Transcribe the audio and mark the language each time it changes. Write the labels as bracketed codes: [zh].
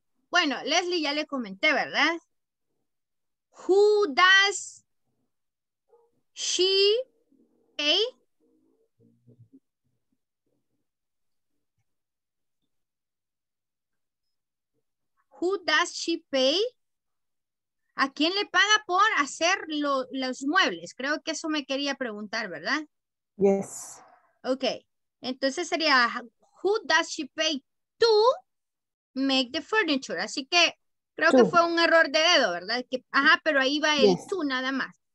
[es] Bueno, Leslie ya le comenté, ¿verdad? [en] Who does she pay? Who does she pay? [es] ¿A quién le paga por hacer los muebles? Creo que eso me quería preguntar, ¿verdad? [en] Yes. Ok. [es] Entonces sería, [en] who does she pay to make the furniture? [es] Así que creo que fue un error de dedo, ¿verdad? Que, ajá, pero ahí va el to nada más.